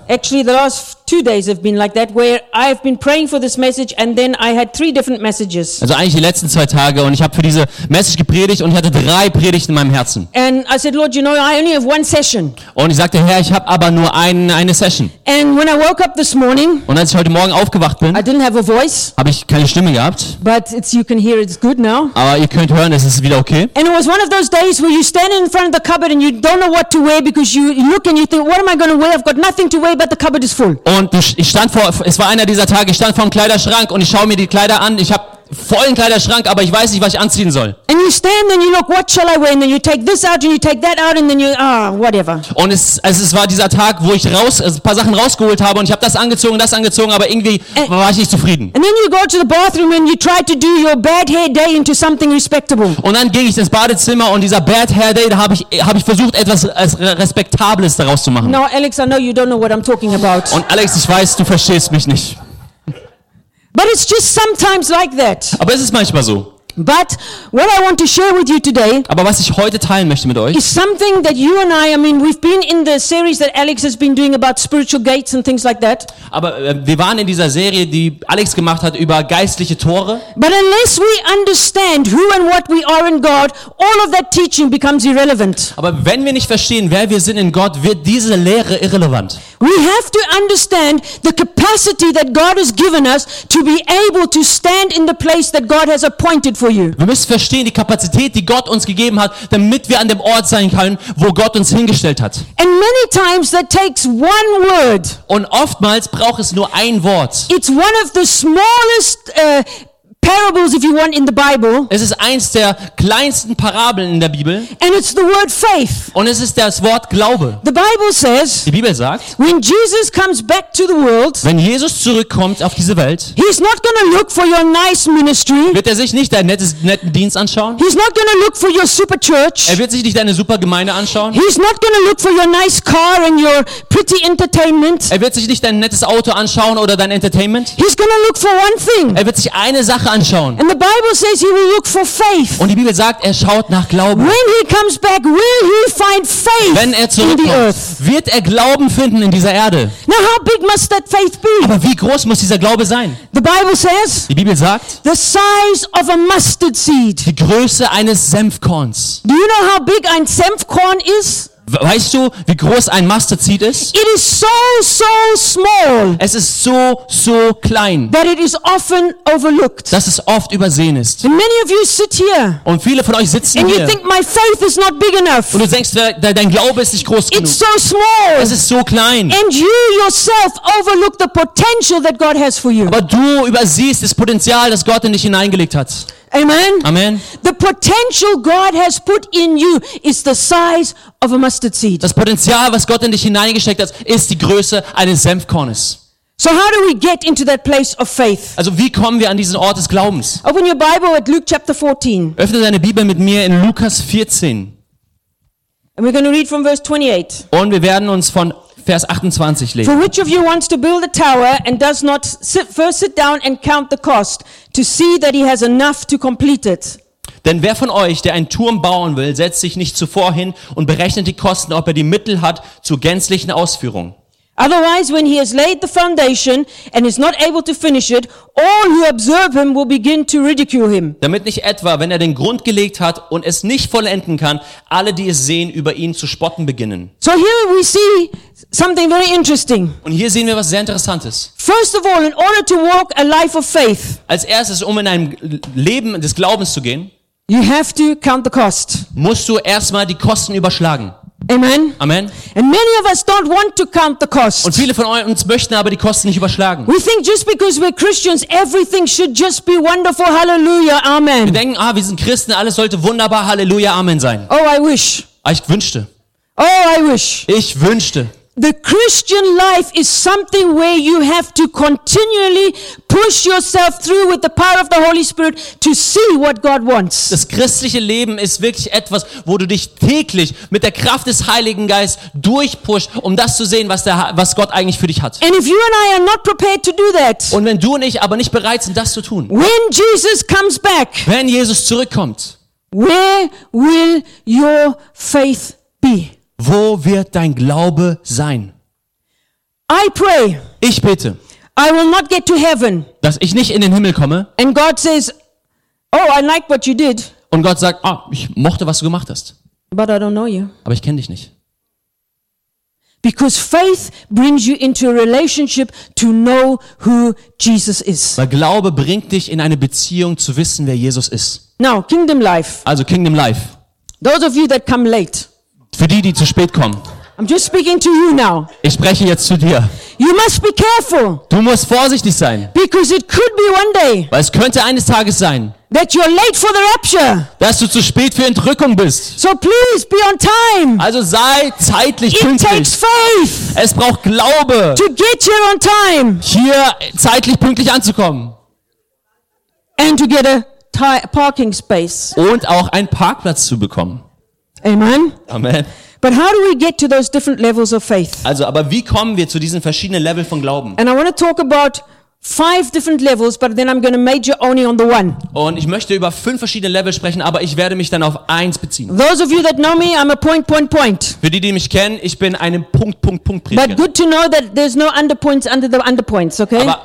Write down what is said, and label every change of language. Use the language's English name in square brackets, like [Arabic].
[English] Actually, the last 2 days have been like that, where I have been praying for this message and then I had 3 different messages. [German] Also eigentlich die letzten 2 Tage und ich habe für diese Message gepredigt und ich hatte 3 Predigten in meinem Herzen. [English] And I said, Lord, you know, I only have 1 session. [German] Und ich sagte, Herr, ich habe aber nur eine Session. [English] And when I woke up this morning, [German] und als ich heute Morgen aufgewacht bin, [English] I didn't have a voice. [German] Habe ich keine Stimme gehabt. [English] But it's, you can hear, it's good now. [German] Aber ihr könnt hören, es ist wieder okay. [English] And it was one of those days where you stand in front of the cupboard and you don't know what to wear because you look and you think, what am I going to wear? I've got nothing to wear, but the cupboard is full. [German] Und ich stand vor, es war einer dieser Tage, ich stand vor dem Kleiderschrank und ich schaue mir die Kleider an. Ich habe vollen Kleiderschrank, aber ich weiß nicht, was ich anziehen soll. [English] And you stand and you look, what shall I wear? And then you take this out and you take that out and then you, whatever. [German] Und es war dieser Tag, wo ich ein paar Sachen rausgeholt habe und ich habe das angezogen, aber irgendwie war ich nicht zufrieden. [English] And then you go to the bathroom and you try to do your bad hair day into something respectable. [German] Und dann ging ich ins Badezimmer und dieser [English] bad hair day, [German] da habe ich versucht, etwas als Respektables daraus zu machen. [English] Now, Alex, I know you don't know what I'm talking about. [German] Und Alex, ich weiß, du verstehst mich nicht. [English] But it's just sometimes like that. [German] Aber es ist manchmal so. [English] But what I want to share with you today, [German] aber was ich heute teilen möchte mit euch, [English] is something that you and I mean we've been in the series that Alex has been doing about spiritual gates and things like that. [German] Aber wir waren in dieser Serie, die Alex gemacht hat über geistliche Tore. [English] But unless we understand who and what we are in God, all of that teaching becomes irrelevant. [German] Aber wenn wir nicht verstehen, wer wir sind in Gott, wird diese Lehre irrelevant. [English] We have to understand the capacity that God has given us to be able to stand in the place that God has appointed. [German] Wir müssen verstehen die Kapazität, die Gott uns gegeben hat, damit wir an dem Ort sein können, wo Gott uns hingestellt hat. [English] And many times that takes one word. [German] Und oftmals braucht es nur ein Wort. [English] It's one of the smallest parables, if you want, in the Bible. [German] Es ist eins der kleinsten Parabeln in der Bibel. [English] And it's the word faith. [German] Und es ist das Wort Glaube. [English] The Bible says, [German] die Bibel sagt, [English] when Jesus comes back to the world, [German] wenn Jesus zurückkommt auf diese Welt, [English] he's not gonna look for your nice ministry. [German] Wird er sich nicht deinen netten Dienst anschauen? [English] He's not gonna look for your super church. [German] Er wird sich nicht deine super Gemeinde anschauen? [English] He's not gonna look for your nice car and your pretty entertainment. [German] Er wird sich nicht dein nettes Auto anschauen oder dein Entertainment? [English] He's gonna look for one thing. [German] Er wird sich eine Sache anschauen. [English] And the Bible says he will look for faith. [German] Und die Bibel sagt, er schaut nach Glauben. [English] When he comes back, will he find faith? [German] Wenn er zurückkommt, [English] in the earth? [German] Wird er Glauben finden in dieser Erde? [English] Now how big must that faith be? [German] Aber wie groß muss dieser Glaube sein? [English] The Bible says, [German] die Bibel sagt, [English] the size of a mustard seed. [German] Die Größe eines Senfkorns. [English] Do you know how big [German] ein Senfkorn [English] is? [German] Weißt du, wie groß ein [English] Mustard Seed [German] ist? [English] It is so, so small. [German] Es ist so, so klein. [English] That it is often overlooked. [German] Dass es oft übersehen ist. [English] And many of you sit here. [German] Und viele von euch sitzen [English] and [German] hier. [English] You think my faith is not big enough. [German] Und du denkst, dein Glaube ist nicht groß genug. [English] It's so small. [German] Es ist so klein. [English] And you yourself overlook the potential that God has for you. [German] Aber du übersiehst das Potenzial, das Gott in dich hineingelegt hat. [English] Amen. [German] Amen. [English] The potential God has put in you is the size of a mustard seed. [German] Das Potenzial, was Gott in dich hineingesteckt hat, ist die Größe eines Senfkornes. [English] So how do we get into that place of faith? [German] Also wie kommen wir an diesen Ort des Glaubens? [English] Open your Bible at Luke chapter 14. [German] Öffne deine Bibel mit mir in Lukas 14. [English] And we're going to read from verse 28. [German] Und wir werden uns von Vers 28 lesen. [English] For which of you wants to build a tower and does not first sit down and count the cost to see that he has enough to complete it? [German] Denn wer von euch, der einen Turm bauen will, setzt sich nicht zuvor hin und berechnet die Kosten, ob er die Mittel hat zur gänzlichen Ausführung. [English] Otherwise, when he has laid the foundation and is not able to finish it, all who observe him will begin to ridicule him. [German] Damit nicht etwa, wenn er den Grund gelegt hat und es nicht vollenden kann, alle, die es sehen, über ihn zu spotten beginnen. [English] So here we see something very interesting. [German] Und hier sehen wir was sehr Interessantes. [English] First of all, in order to walk a life of faith, [German] als erstes, um in einem Leben des Glaubens zu gehen, [English] you have to count the cost. [German] Musst du erstmal die Kosten überschlagen. [English] Amen. [German] Amen. [English] And many of us don't want to count the cost. [German] Und viele von uns möchten aber die Kosten nicht überschlagen. [English] We think just because we're Christians, everything should just be wonderful, hallelujah, amen. [German] Wir denken, wir sind Christen, alles sollte wunderbar, hallelujah, amen sein. [English] Oh, I wish. [German] Ich wünschte. [English] Oh, I wish. [German] Ich wünschte. [English] The Christian life is something where you have to continually push yourself through with the power of the Holy Spirit to see what God wants. [German] Das christliche Leben ist wirklich etwas, wo du dich täglich mit der Kraft des Heiligen Geistes durchpushst, um das zu sehen, was Gott eigentlich für dich hat. [English] And if you and I are not prepared to do that. [German] Und wenn du und ich aber nicht bereit sind, das zu tun. [English] When Jesus comes back. [German] Wenn Jesus zurückkommt. [English] Where will your faith be? [German] Wo wird dein Glaube sein? [English] I pray. [German] Ich bete. [English] I will not get to heaven. [German] Dass ich nicht in den Himmel komme. [English] And God says, oh, I like what you did. [German] Und Gott sagt, oh, ich mochte, was du gemacht hast. [English] But I don't know you. [German] Aber ich kenne dich nicht. [English] Because faith brings you into a relationship to know who Jesus is. [German] Weil Glaube bringt dich in eine Beziehung zu wissen, wer Jesus ist. [English] Now, Kingdom Life. [German] Also Kingdom Life. [English] Those of you that come late. [German] Für die, die zu spät kommen. [English] I'm just speaking to you now. [German] Ich spreche jetzt zu dir. [English] You must be careful. [German] Du musst vorsichtig sein. [English] Because it could be one day. [German] Weil es könnte eines Tages sein. [English] That you're late for the rapture. [German] Dass du zu spät für Entrückung bist. [English] So please be on time. [German] Also sei zeitlich [English] it [German] pünktlich. [English] Takes faith. [German] Es braucht Glaube. [English] To get here on time. [German] Hier zeitlich pünktlich anzukommen. [English] And to get a parking space. [German] Und auch einen Parkplatz zu bekommen. [English] Amen. [German] Amen. [English] But how do we get to those different levels of faith? [German] Also, aber wie kommen wir zu diesen verschiedenen Level von Glauben? [English] And I want to talk about 5 different levels, but then I'm going to major only on the one. [German] Und ich möchte über 5 verschiedene Level sprechen, aber ich werde mich dann auf eins beziehen. [English] Those of you that know me, I'm a point, point, point. [German] Für die, die mich kennen, ich bin ein Punkt, Punkt, Punkt Prediger. [English] But good to know that there's no underpoints under the underpoints, okay?